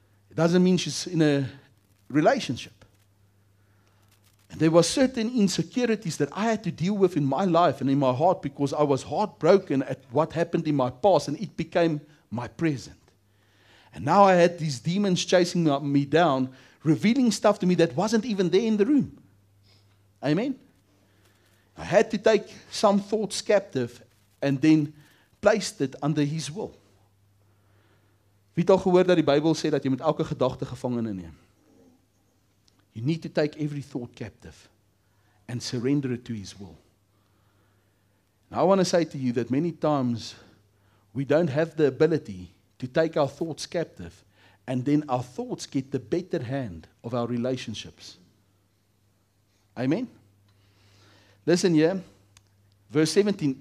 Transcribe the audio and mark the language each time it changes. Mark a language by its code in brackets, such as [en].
[en] It doesn't mean she's in a relationship. And there were certain insecurities that I had to deal with in my life and in my heart because I was heartbroken at what happened in my past and it became my present. And now I had these demons chasing me down, revealing stuff to me that wasn't even there in the room. Amen. I had to take some thoughts captive and then placed it under his will. [af] Wie het al gehoor dat die Bybel sê dat jy moet elke gedagte gevangene neem? [en] You need to take every thought captive and surrender it to his will. Now I want to say to you that many times we don't have the ability to take our thoughts captive and then our thoughts get the better hand of our relationships. Amen. Listen here. Verse 17.